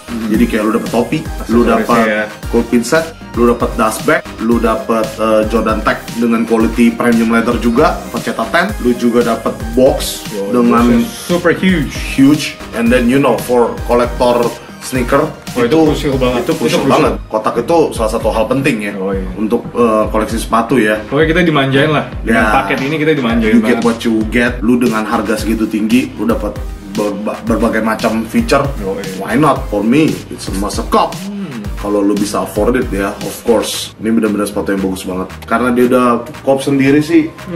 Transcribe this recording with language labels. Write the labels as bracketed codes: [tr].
[id] Jadi kayak lu dapat topi, lu dapat gold pin set, lu dapat dust bag, lu dapat Jordan tag dengan quality premium leather juga, pencetak tan, lu juga dapat box dengan [en] super huge, and then you know for collector sneaker. [id] Oh, itu krusial banget. Itu krusial banget. Kotak itu salah satu hal penting ya. Oh, iya. Untuk koleksi sepatu ya. Pokoknya kita dimanjain lah. Dengan paket ini kita dimanjain [en] you [id] banget. [en] You get what you get. [id] Lu dengan harga segitu tinggi, lu dapat berbagai macam feature. Oh, iya. [en] Why not? For me, it's a must cop. [id] Kalau lu bisa [en] afford it [id] ya, [en] of course. [id] Ini benar-benar sepatu yang bagus banget. Karena dia udah cop sendiri sih.